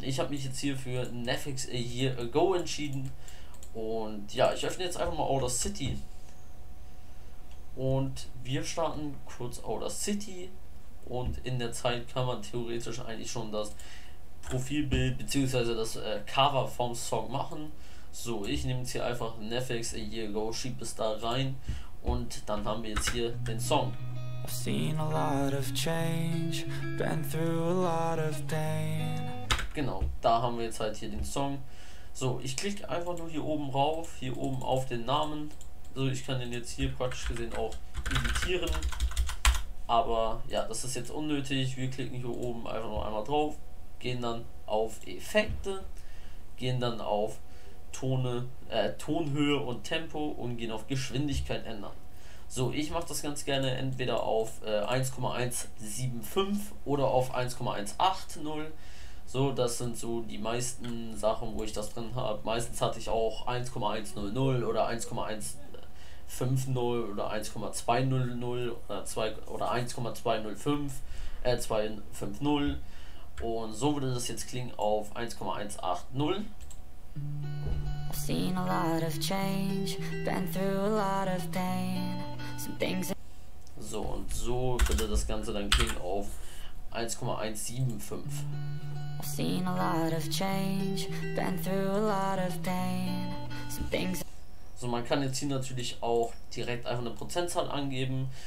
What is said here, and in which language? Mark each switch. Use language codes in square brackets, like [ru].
[de] Ich habe mich jetzt hier für Nefex A Year Ago entschieden und ja, ich öffne jetzt einfach mal Outer City und wir starten kurz Outer City und in der Zeit kann man theoretisch eigentlich schon das Profilbild bzw. das Cover vom Song machen. So, ich nehme jetzt hier einfach Nefex A Year Ago, schieb es da rein und dann haben wir jetzt hier den Song. [en] I've seen a lot of change, been through a lot of pain. [de] Genau, da haben wir jetzt halt hier den Song. So, ich klicke einfach nur hier oben rauf, hier oben auf den Namen. So, ich kann den jetzt hier praktisch gesehen auch editieren. Aber ja, das ist jetzt unnötig. Wir klicken hier oben einfach nur einmal drauf, gehen dann auf Effekte, gehen dann auf Tonhöhe und Tempo und gehen auf Geschwindigkeit ändern. So, ich mache das ganz gerne entweder auf 1,175 oder auf 1,180. So, das sind so die meisten Sachen, wo ich das drin habe. Meistens hatte ich auch 1,100 oder 1,150 oder 1,200 oder 1,205 und so würde das jetzt klingen auf 1,180. [en] I've seen a lot of change, been through a lot of pain. Some things. [de] So und so würde das Ganze dann klingen auf 1,175. [en] I've seen a lot of change, been through a lot of pain. Some things. [de] So, man kann jetzt hier natürlich auch direkt einfach eine Prozentzahl angeben.